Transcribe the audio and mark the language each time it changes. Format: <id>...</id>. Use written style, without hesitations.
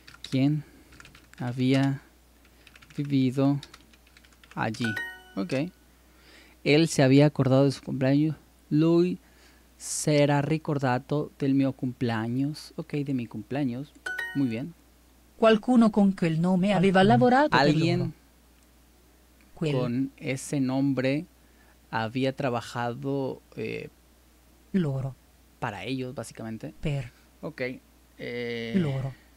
<es>¿Quién había vivido allí? ¿Ok? Él se había acordado de su cumpleaños, lui. Será recordado del mio cumpleaños. Ok, de mi cumpleaños. Muy bien.</es> <it>Qualcuno con quel nome aveva lavorato.</it> <es>Alguien con ese nombre había trabajado.</es> <it>Loro.</it> <es>Para ellos, básicamente.</es> <it>Per. Ok. Loro.</it>